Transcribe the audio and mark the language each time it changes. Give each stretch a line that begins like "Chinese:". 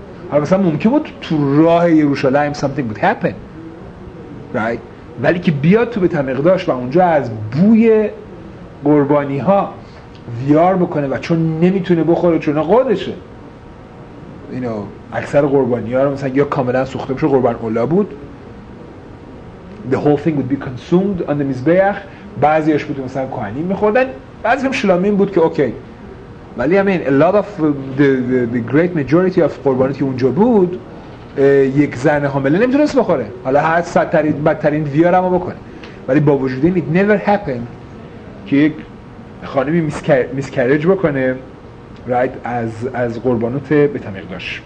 Persian: حالا مثلا ممکن بود تو راه یروشالایم something would happen right، ولی که بیاد تو به تمقداش و اونجا از بوی قربانی ها ویار بکنه و چون نمیتونه بخوره چون قدشه، اینو اکثر قربانی ها رو مثلا یا کاملا سوخته میشه قربان اولا بود
English: the whole thing would be consumed on the mizbeach.
Persian: بعضی هاش بود مثلا کوهنی میخوردن، بعضی هم شلامین بود که اوکی. ولی I mean a lot of the great majority of قربانی که اونجا بود یک زن حامله نمیتونست بخوره، حالا هر سدترین بدترین ویارم رو بکنه. ولی با وجود این it never happened که یک خانمی میسکریج بکنه right از قربانوت بیت المقدس.